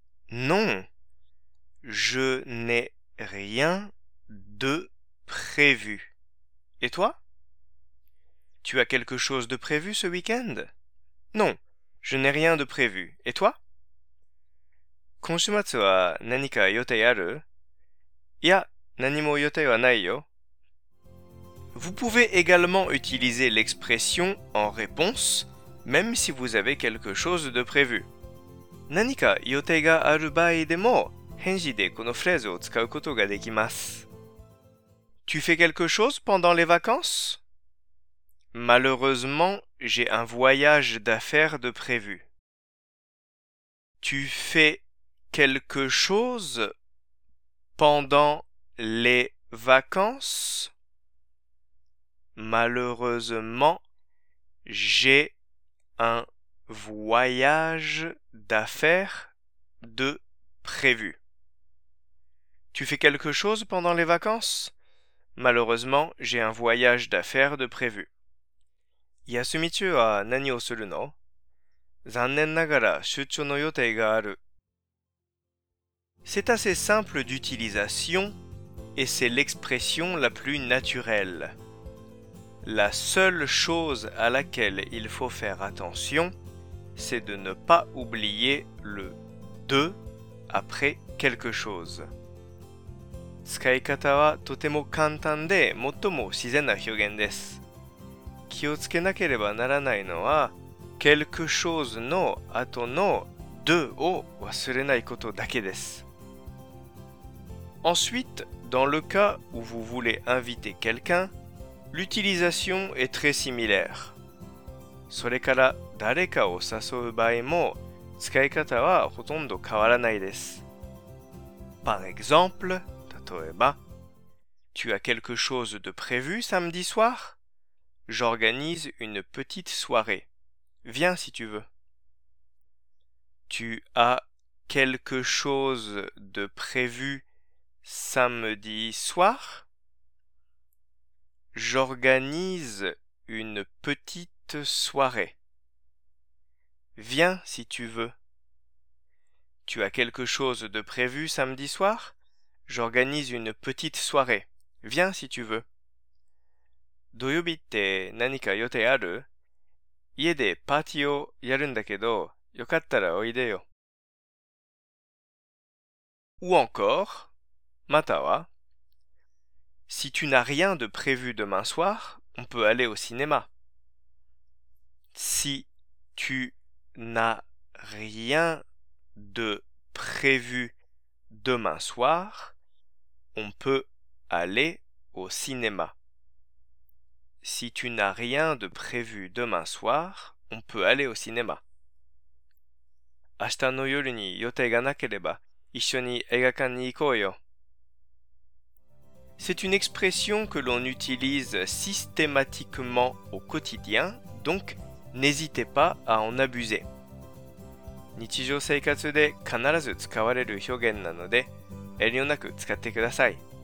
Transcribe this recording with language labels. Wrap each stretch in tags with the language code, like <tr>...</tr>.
<fr>Non, je n'ai rien de prévu. Et toi? Tu as quelque chose de prévu ce week-end? Non, je n'ai rien de prévu. Et toi?</fr> <ja>今週末は何か予定ある? いや、何も予定はないよ。</ja> <fr>Vous pouvez également utiliser l'expression en réponse, même si vous avez quelque chose de prévu.</fr> <ja>何か予定がある場合でも、返事でこのフレーズを使うことができます。</ja> <fr>Tu fais quelque chose pendant les vacances? Malheureusement, j'ai un voyage d'affaires de prévu. Tu fais quelque chose pendant les vacances? Malheureusement, j'ai un voyage d'affaires de prévu. Tu fais quelque chose pendant les vacances? Malheureusement, j'ai un voyage d'affaires de prévu.</fr> <ja>休み中は何をするの? 残念ながら出張の予定がある。</ja> <fr>C'est assez simple d'utilisation et c'est l'expression la plus naturelle. La seule chose à laquelle il faut faire attention, c'est de ne pas oublier le « de » après quelque chose.</fr> <ja>使い方はとても簡単で最も自然な表現です。気をつけなければならないのは、</ja> <fr>quelque chose</fr> <ja>の後の「de」を忘れないことだけです。</ja> <fr>Ensuite, dans le cas où vous voulez inviter quelqu'un, l'utilisation est très similaire.</fr> <ja>それから誰かを誘う場合も使い方はほとんど変わらないです。</ja> <fr>Par exemple,</fr> <ja>例えば、</ja> <fr>Tu as quelque chose de prévu samedi soir? J'organise une petite soirée. Viens si tu veux. Tu as quelque chose de prévu samedi soir, j'organise une petite soirée. Viens si tu veux. Tu as quelque chose de prévu samedi soir? J'organise une petite soirée. Viens si tu veux.</fr> <ja>土曜日って何か予定ある? 家でパーティーをやるんだけど、よかったらおいでよ。</ja> <fr>Ou encore?</fr> <ja>または、</ja> <fr>Si tu n'as rien de prévu demain soir, on peut aller au cinéma. Si tu n'as rien de prévu demain soir, on peut aller au cinéma. Si tu n'as rien de prévu demain soir, on peut aller au cinéma.</fr> <ja>明日の夜に予定がなければ、一緒に映画館に行こうよ。</ja> <fr>C'est une expression que l'on utilise systématiquement au quotidien, donc n'hésitez pas à en abuser.</fr> <ja>日常生活で必ず使われる表現なので、遠慮なく使ってください。</ja>